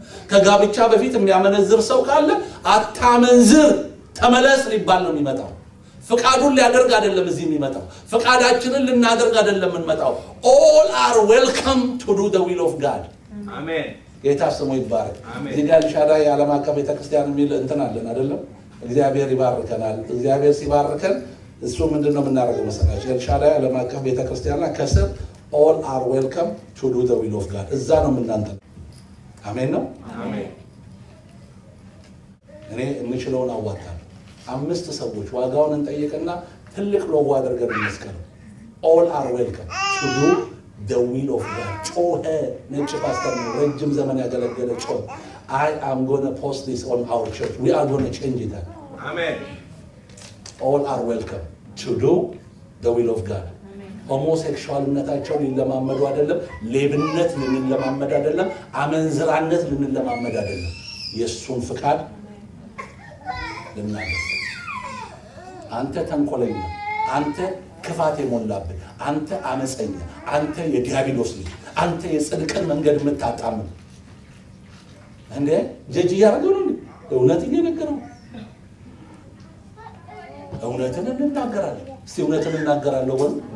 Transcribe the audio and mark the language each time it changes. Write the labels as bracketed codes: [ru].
[am] ከጋብቻ በፊት የሚያመነዝር ሰው ካለ አታመንዝር ተመለስ ሊባል ነው የሚመጣው። ፍቃዱን ሊያደርግ አይደለም እዚህ የሚመጣው። ፍቃዳችንን ልናደርግ አይደለም የምንመጣው። [en] All are welcome to do the will of God. [am] አሜን። ጌታ ስሙ ይባረክ። እዚህ ጋር ኤልሻዳይ ዓለም አቀፍ ቤተክርስቲያን የሚል እንትን አለን አይደለም? እግዚአብሔር ይባርከናል። እግዚአብሔር ሲባርከን እሱ ምንድን ነው የምናደርገው መሰላችሁ? ኤልሻዳይ ዓለም አቀፍ ቤተክርስቲያን ላይ ከስር [en] All are welcome to do the will of God. [am] እዛ ነው የምናንተ። አሜን ነው? አሜን። እኔ የምችለውን አዋጣለሁ። አምስት ሰዎች ዋጋውን እንጠይቀና ትልቅ ሎጎ አድርገን እንስቀለው። [en] All are welcome to do the will of God. [am] ጮኸ ነጭ ፓስተር ነው ረጅም ዘመን ያገለገለ ጮኸ። [en] I am going to post this on our church. We are going to change it. Amen. All are welcome to do the will of God. [am] ሆሞሴክሹዋልነታቸውን ይለማመዱ አይደለም፣ ሌብነት ይለማመዱ አይደለም፣ አመንዝራነት ይለማመዱ አይደለም። የሱን ፍቃድ ለምናለህ። አንተ ተንኮለኛ፣ አንተ ክፋት የሞላብህ፣ አንተ አመጸኛ፣ አንተ የዲያብሎስ ልጅ፣ አንተ የጽድቅን መንገድ የምታጣምም እንደ ጀጅ ያርገው ነው። እውነት እየነገረው እውነትን እንናገራለን። እስቲ እውነትን እንናገራለን ወይ?